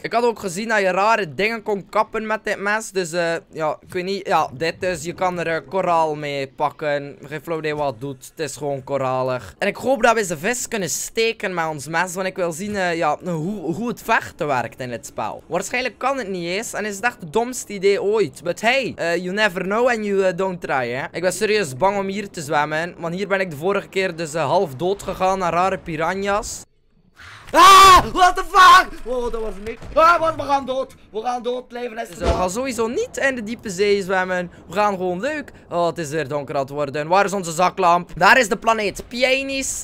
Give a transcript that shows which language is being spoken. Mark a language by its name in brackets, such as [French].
[Dutch] Ik had ook gezien dat je rare dingen kon kappen met dit mes. Dus ja, ik weet niet. Ja, dit dus. Je kan er koraal mee pakken. Geen flauw idee wat het doet. Het is gewoon koralig. En ik hoop dat we ze vis kunnen steken met ons mes. Want ik wil zien hoe het vechten werkt in dit spel. Waarschijnlijk kan het niet eens. En is het echt het domste idee ooit. [English] But hey, you never know and you don't try, hè. [Dutch] Ik ben serieus bang om hier te zwemmen. Want hier ben ik de vorige keer dus... half dood gegaan naar rare piranha's. Ah, [English] what the fuck? [Dutch] Wow, dat was niks. Ah, we gaan dood. We gaan dood. Leven is dus we gaan sowieso niet in de diepe zee zwemmen. We gaan gewoon leuk. Oh, het is weer donker aan het worden. Waar is onze zaklamp? Daar is de planeet Pienis.